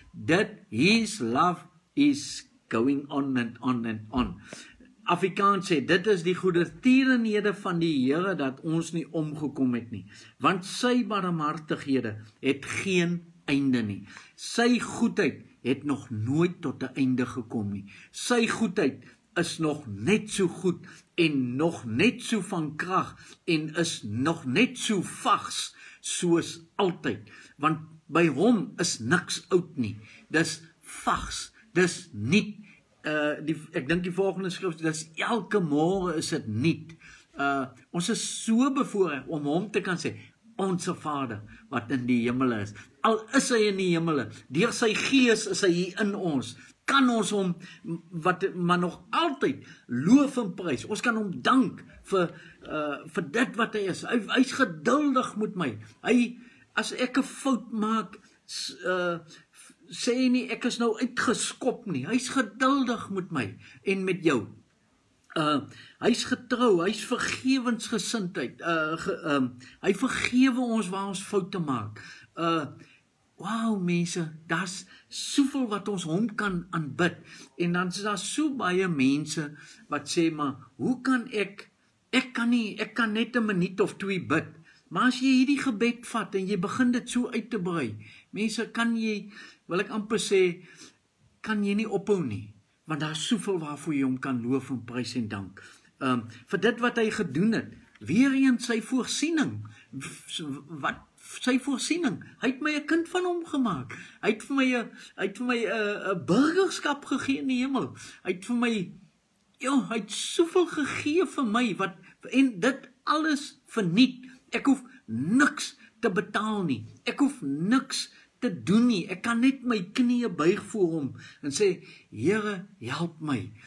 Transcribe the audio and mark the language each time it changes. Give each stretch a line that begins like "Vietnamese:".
English: That his love is going on and on and on.
Afrikaans: Afrikaans sê, dit is die goede tierenhede van die Here dat ons nie omgekom het nie. Want sy barmhartighede het geen einde nie. Sy goedheid het nog nooit tot 'n einde gekom nie. Sy goedheid is nog net so goed en nog net so van krag en is nog net so vars soos altyd, want by hom is niks oud nie, dis vars, dis niet, ek dink die volgende skrif, dis elke môre is het niet, ons is so bevoorreg om hom te kan sê, onse Vader, wat in die hemele is, al is hy in die hemele, deur sy gees is hy hier in ons, kan ons hom, wat, maar nog
Dutch: altijd, loof en prijs.
Afrikaans: Ons kan hom dank vir dit wat hy is. Hy is geduldig met my. Hy, as ek een fout maak, sê hy nie, ek is nou uitgeskop nie. Hy is geduldig met my en met jou. Hy is getrou, hy is vergewensgesindheid. Hy vergewe ons waar ons foute maak. Wow mense, daar's soveel wat ons hom kan aanbid. En dan is daar so baie mense wat sê, maar hoe kan ek, ek kan nie, ek kan net een minuut of twee bid. Maar as jy hierdie gebed vat en jy begin dit so uit te brei, mense, kan jy, wil ek amper sê, kan jy nie ophou nie. Want daar is soveel waarvoor jy hom kan loof en
Dutch: prijs
Afrikaans: en dank. Vir dit wat hy gedoen het, weer in sy voorsiening, wat, sy voorsiening, hy het my een kind van hom gemaakt, hy het vir my een burgerskap gegee in die hemel, hy het soveel gegee vir my, wat, en dit alles verniet, ek hoef niks te betaal nie, ek hoef niks te doen nie, ek kan net my knie buig voor hom, en sê, Here, help my,